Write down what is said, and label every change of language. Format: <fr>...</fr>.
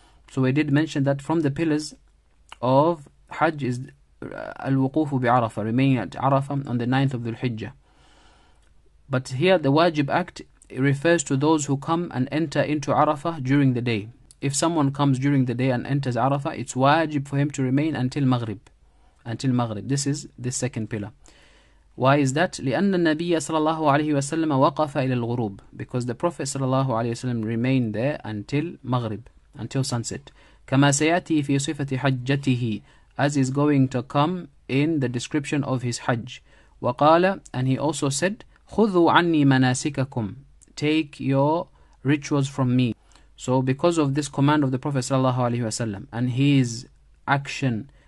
<en>So we did mention that from the pillars of Hajj is al-wuqufu bi'arafah, remaining at Arafah on the 9th of Dhul-Hijjah. But here the wajib act, it refers to those who come and enter into Arafah during the day. If someone comes during the day and enters Arafah, it's wajib for him to remain until Maghrib. Until Maghrib. This is the second pillar. Why is that?</en> <ar>لِأَنَّ النَّبِيَّ صَلَى اللَّهُ عَلَيْهِ وَسَلَّمَ وَقَفَ إِلَى الْغُرُوبِ,</ar> <en>because the Prophet صلى الله عليه وسلم remained there until Maghrib, until sunset.</en> <ar>كَمَا سَيَأْتِي فِي صِفَةِ حَجَّتِهِ,</ar> <en>as is going to come in the description of his Hajj. وَقَالَ, and he also said,</en> <ar>خُذُوا عَنِّي مَنَاسِكَكُمْ,</ar> <en>take your rituals from me. So because of this command of the Prophet ﷺ and his action</en>